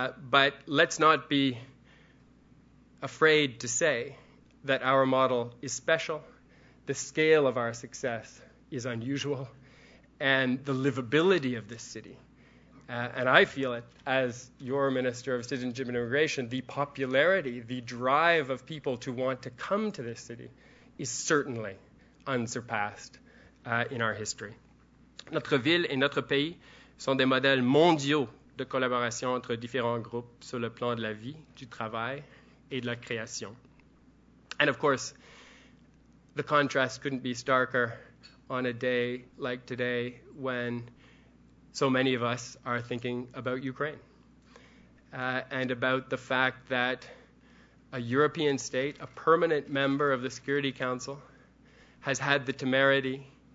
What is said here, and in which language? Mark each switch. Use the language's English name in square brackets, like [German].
[English] But let's not be afraid to say that our model is special, the scale of our success is unusual, and the livability of this city, and I feel it as your Minister of Citizenship and Immigration, the popularity, the drive of people to want to come to this city is certainly unsurpassed in our history. [French] Notre ville et notre pays sont des modèles mondiaux de collaboration entre différents groupes sur le plan de la vie, du travail et de la création. [English] And of course, the contrast couldn't be starker on a day like today when so many of us are thinking about Ukraine and about the fact that a European state, a permanent member of the Security Council, has had the temerity